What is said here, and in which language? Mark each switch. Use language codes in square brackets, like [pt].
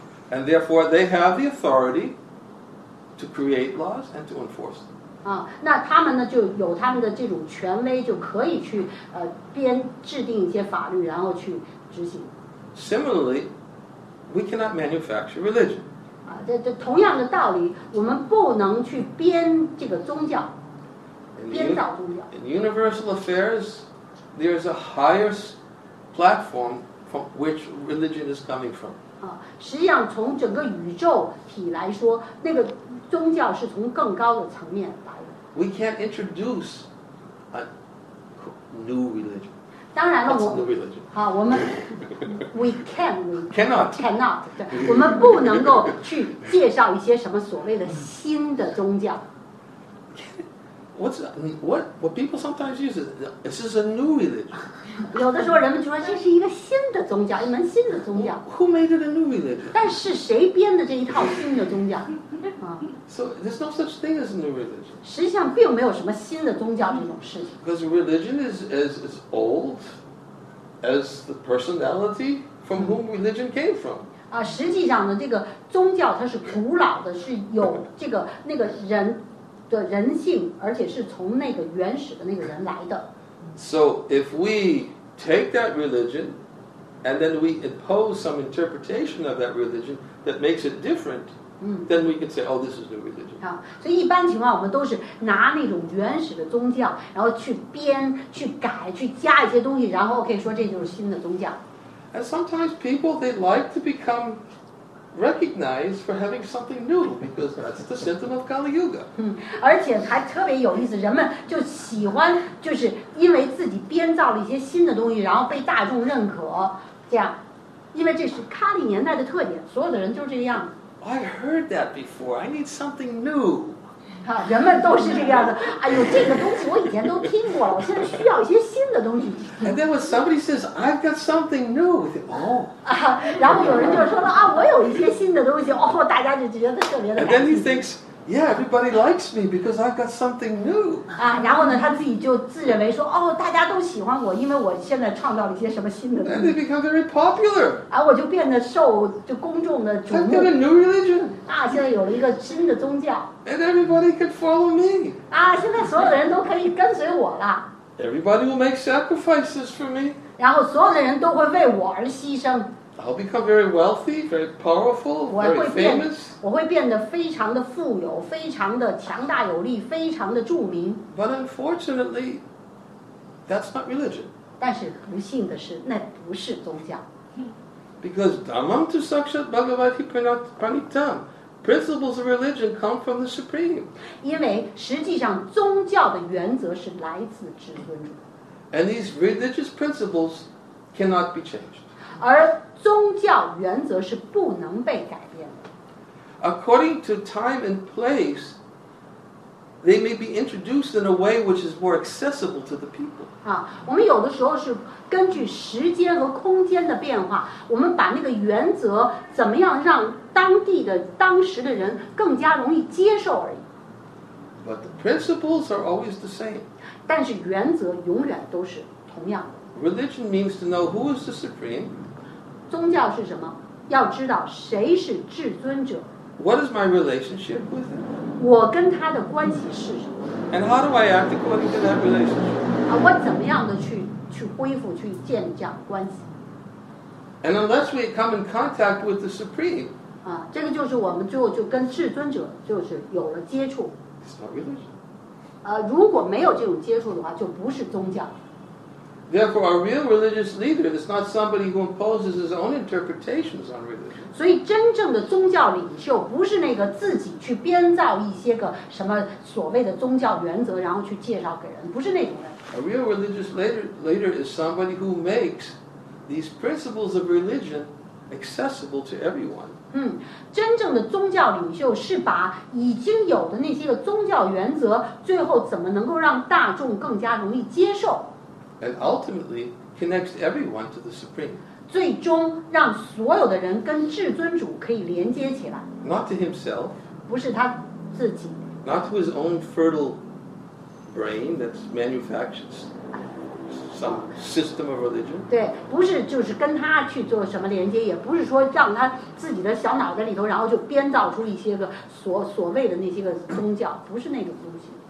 [en] And therefore, they have the authority to create laws and to enforce them. [zh] 啊，那他们呢就有他们的这种权威，就可以去编制定一些法律，然后去执行。 [en] Similarly, we cannot manufacture religion. [zh] 啊，这同样的道理，我们不能去编这个宗教，编造宗教。 [en] In universal affairs, there is a higher platform from which religion is coming from. [zh] 实际上从整个宇宙体来说，那个宗教是从更高的层面来的。 [en] We can't introduce a new religion. [zh] 当然了， [en] What's new religion? [zh] 好，我们 [en] we can, we cannot, cannot. [zh] 对，我们不能够去介绍一些什么所谓的新的宗教。 [en] What people sometimes use is, this is a new religion. [zh] 有的时候人们就说这是一个新的宗教，一门新的宗教。 [en] Who made it a new religion? [zh] 但是谁编的这一套新的宗教？ [en] So there's no such thing as a new religion. [zh] 实际上并没有什么新的宗教这种事情。 [en] Because religion is as old as the personality from whom religion came from. [zh] 啊，实际上呢，这个宗教它是古老的，是有这个那个人。的人性，而且是从那个原始的那个人来的。 [en] So if we take that religion, and then we impose some interpretation of that religion that makes it different, then we can say, oh, this is new religion. [zh] 所以一般情况我们都是拿那种原始的宗教，然后去编、去改、去加一些东西，然后可以说这就是新的宗教。 [en] And sometimes people, they like to become... recognized for having something new because that's the symptom of Kali Yuga. [zh] 而且还特别有意思，人们就喜欢就是因为自己编造了一些新的东西，然后被大众认可，这样，因为这是Kali年代的特点，所有的人就是这样。 [en] I heard that before. I need something new. [zh] 人们都是这个样子。哎呦，这个东西我以前都听过了，我现在需要一些新的东西。 [en] And then when somebody says, I've got something new, oh. [zh] 然后有人就说了啊，我有一些新的东西，哦，大家就觉得特别的。 [en] And then he thinks, yeah, everybody likes me because I've got something new. [zh] 然后呢，他自己就自认为说，哦，大家都喜欢我，因为我现在创造了一些什么新的东西。 [en] And they become very popular. [zh] 我就变得受就公众的瞩目。 [en] I've got a new religion. [zh] 现在有了一个新的宗教。 [en] And everybody can follow me. [zh] 现在所有的人都可以跟随我了。 [en] Everybody will make sacrifices for me. [zh] 然后所有的人都会为我而牺牲。 [en] I'll become very wealthy, very powerful, very famous. [zh] 我会变得非常的富有，非常的强大有力，非常的著名。 [en] But unfortunately, that's not religion. [zh] 但是不幸的是，那不是宗教。 [en] Because [sa] Dhammam tu Sakshat Bhagavati Pranitam, [en] principles of religion come from the Supreme. [zh] 因为实际上宗教的原则是来自至尊主。 [en] And these religious principles cannot be changed. [zh] 而宗教原则是不能被改变的。 [en] According to time and place, they may be introduced in a way which is more accessible to the people. [zh] 啊，我们有的时候是根据时间和空间的变化，我们把那个原则怎么样让当地的当时的人更加容易接受而已。 [en] But the principles are always the same. [zh] 但是原则永远都是同样的。 [en] Religion means to know who is the supreme. [zh] 宗教是什么？要知道谁是至尊者。 [en] What is my relationship with him? [zh] 我跟他的关系是什么？ [en] And how do I act according to that relationship? [zh] 啊，我怎么样的去恢复去建立这样的关系？ [en] And unless we come in contact with the supreme, [zh] 啊，这个就是我们最后就跟至尊者就是有了接触。 [en] It's not religion. [zh] 如果没有这种接触的话，就不是宗教。 [en] Therefore, a real religious leader is not somebody who imposes his own interpretations on religion. [zh] 所以，真正的宗教领袖不是那个自己去编造一些个什么所谓的宗教原则，然后去介绍给人，不是那种人。 [en] A real religious leader is somebody who makes these principles of religion accessible to everyone. [zh] 真正的宗教领袖是把已经有的那些个宗教原则，最后怎么能够让大众更加容易接受？ [en] And ultimately connects everyone to the supreme. [zh] 最终让所有的人跟至尊主可以连接起来。 [en] Not to himself. [zh] 不是他自己。 [en] Not to his own fertile brain that's manufactured some system of religion. [zh] 对，不是就是跟他去做什么连接，也不是说让他自己的小脑袋里头，然后就编造出一些个所谓的那些个宗教，不是那种东西。